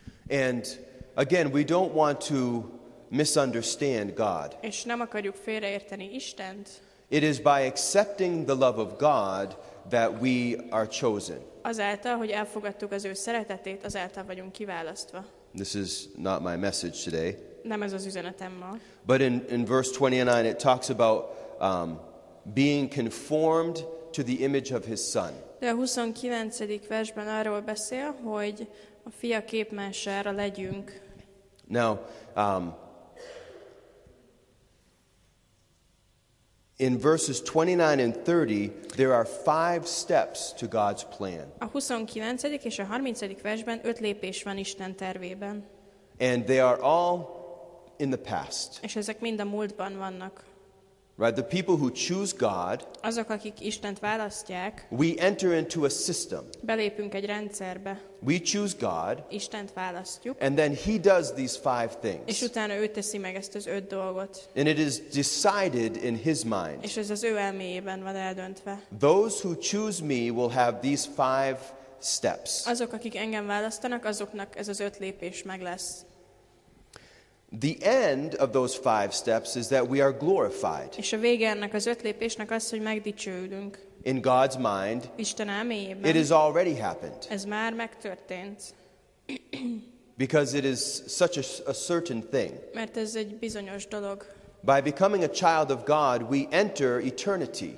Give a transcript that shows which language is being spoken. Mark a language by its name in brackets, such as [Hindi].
[English] And again, we don't want to misunderstand God. [Hungarian] És nem akarjuk félreérteni Istent. [English] It is by accepting the love of God that we are chosen. [Hungarian] Azáltal, hogy elfogadtuk az ő szeretetét, azáltal vagyunk kiválasztva. [English] This is not my message today. [Hungarian] Nem ez az üzenetem ma. [English] But in verse 29 it talks about being conformed to the image of his son. [Hungarian] De a 29. versben arról beszél, hogy a fia képmására legyünk. [English] Now, in verses 29 and 30, there are five steps to God's plan. [Hungarian] A 29. és a 30. versben öt lépés van Isten tervében. [English] And they are all in the past. [Hungarian] És ezek mind a múltban vannak. [English] Right, the people who choose God, [Hungarian] azok, akik Istent választják, [English] we enter into a system. [Hungarian] Belépünk egy rendszerbe. [English] We choose God, [Hungarian] Istent választjuk, [English] and then he does these five things. [Hungarian] És utána ő teszi meg ezt az öt dolgot. [English] And it is decided in his mind. [Hungarian] És ez az ő elméjében van eldöntve. [English] Those who choose me will have these five steps. [Hungarian] Azok, akik engem választanak, azoknak ez az öt lépés meg lesz. [English] The end of those five steps is that we are glorified. [Hungarian] És a vége ennek az öt lépésnek az, hogy megdicsőülünk. [English] In God's mind, [Hungarian] Isten elméjében. [English] It has already happened. [Hungarian] Ez már megtörtént. [English] Because it is such a certain thing. [Hungarian] Mert ez egy bizonyos dolog. [English] By becoming a child of God, we enter eternity.